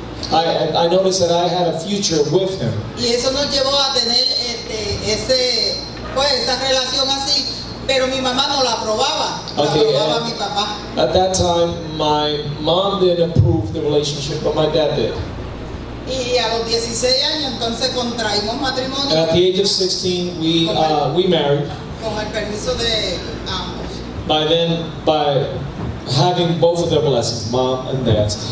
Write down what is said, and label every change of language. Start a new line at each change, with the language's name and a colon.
English: I noticed that I had a future with him.
Spanish: Y eso nos llevó a tener esa relación así, pero mi mamá no la aprobaba.
English: Okay,
Spanish: la aprobaba mi papá.
English: At that time, my mom didn't approve the relationship, but my dad did.
Spanish: Y a los 16 años entonces contraímos matrimonio.
English: And at the age of 16, we married.
Spanish: Con el permiso de ambos.
English: By then, by having both of their blessings, mom and dad.